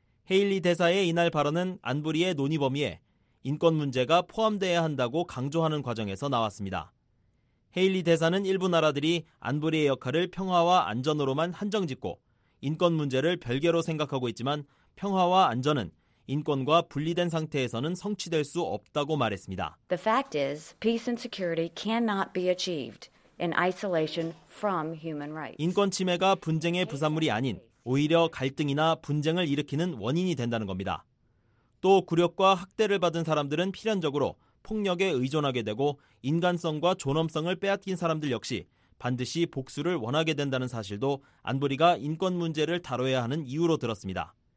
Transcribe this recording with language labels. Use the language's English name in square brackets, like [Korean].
[Korean] 헤일리 대사의 이날 발언은 안보리의 논의 범위에 인권 문제가 포함돼야 한다고 강조하는 과정에서 나왔습니다. 헤일리 대사는 일부 나라들이 안보리의 역할을 평화와 안전으로만 한정짓고 인권 문제를 별개로 생각하고 있지만 평화와 안전은 인권과 분리된 상태에서는 성취될 수 없다고 말했습니다. [English] The fact is, peace and security cannot be achieved. In isolation from human rights. [Korean] 인권 침해가 분쟁의 부산물이 아닌 오히려 갈등이나 분쟁을 일으키는 원인이 된다는 겁니다. 또 굴욕과 학대를 받은 사람들은 필연적으로 폭력에 의존하게 되고 인간성과 존엄성을 빼앗긴 사람들 역시 반드시 복수를 원하게 된다는 사실도 안보리가 인권 문제를 다뤄야 하는 이유로 들었습니다.